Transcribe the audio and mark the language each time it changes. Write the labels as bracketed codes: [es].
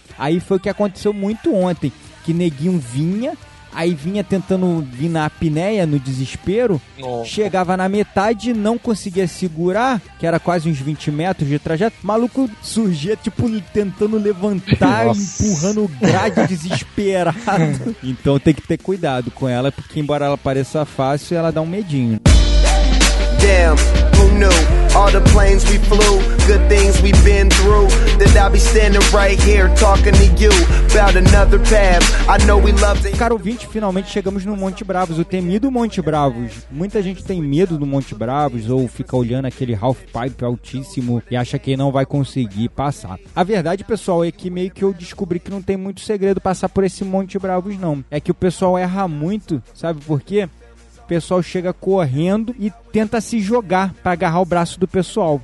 [pt] Aí foi o que aconteceu muito ontem, que neguinho vinha, aí vinha tentando vir na apneia, no desespero, chegava na metade, não conseguia segurar, que era quase uns 20 metros de trajeto, o maluco surgia, tipo, tentando levantar, empurrando o grade desesperado. Então tem que ter cuidado com ela, porque embora ela pareça fácil, ela dá um medinho. [en] Damn, who knew? All the planes we flew, good things we've been through. Then I'll be standing right here talking to you about another path. I know we love to... [pt] Cara, ouvinte, finalmente chegamos no Monte Bravos, o temido Monte Bravos. Muita gente tem medo do Monte Bravos ou fica olhando aquele half pipe altíssimo e acha que não vai conseguir passar. A verdade, pessoal, é que meio que eu descobri que não tem muito segredo passar por esse Monte Bravos, não. É que o pessoal erra muito, sabe por quê? O pessoal chega correndo e tenta se jogar pra agarrar o braço do pessoal.